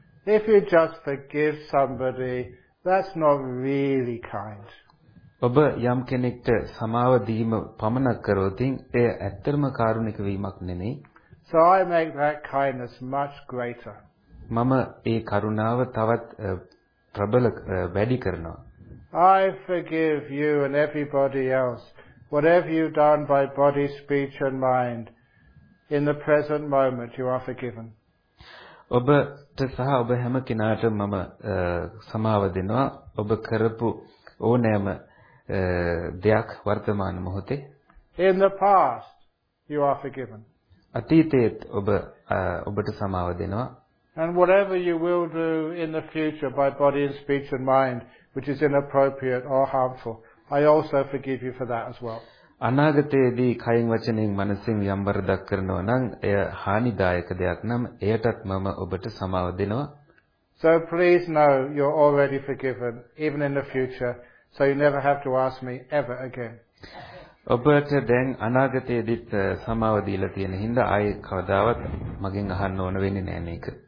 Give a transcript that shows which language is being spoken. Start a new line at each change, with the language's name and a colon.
English: If you just forgive somebody, that's not really kind.
Sinhala: ඔබ යම් කෙනෙක්ට සමාව දීම පමණක් කරොතින් ඒ ඇත්තම කාරුණික වීමක් නෙමෙයි.
English: So I make that kindness much greater.
Sinhala: මම ඒ කරුණාව තවත් ප්‍රබල වැඩි කරනවා.
English: I forgive you and everybody else, whatever you've done by body, speech and mind, in the present moment you are forgiven.
Sinhala: ඔබට සහ ඔබ හැම කෙනාටම මම සමාව දෙනවා. ඔබ කරපු ඕනෑම දෙයක් වර්තමාන මොහොතේ.
English: In the past you are forgiven.
Sinhala: අතීතයේත් ඔබ ඔබට සමාව දෙනවා.
English: And whatever you will do in the future by body and speech and mind, which is inappropriate or harmful, I also forgive you for that as well.
Sinhala: අනාගතයේදී කයින් වචනෙන් මනසින් යම් වරදක් කරනවා නම් එය හානිදායක දෙයක් නම් එයටත් මම ඔබට සමාව දෙනවා.
English: So please know you're already forgiven, even in the future, so you never have to ask me ever again.
Sinhala: ඔබට දැන් අනාගතයේදීත් සමාව දීලා තියෙන හින්දා ආයේ කවදාවත් මගෙන් අහන්න ඕන වෙන්නේ නැහැ මේක.